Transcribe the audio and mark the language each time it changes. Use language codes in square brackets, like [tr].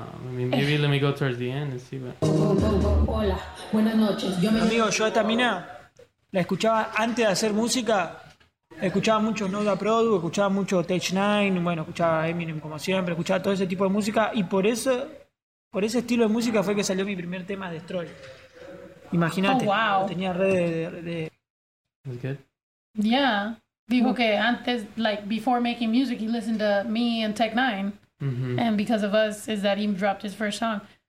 [en] Maybe let me go towards the end and see. [es] Hola, buenas noches. Amigo, yo a esta mina la escuchaba antes de hacer música. Escuchaba mucho Noda Produ, escuchaba mucho Tech Nine, bueno, escuchaba Eminem como siempre, escuchaba todo ese tipo de música, y por ese estilo de música fue que salió mi primer tema, Destroy. Imagínate, tenía red de... ¿Es good? [en] Yeah, [es] dijo que antes, [en] like, before making music, he listened to me and Tech Nine, and because of us, is that he dropped his first song.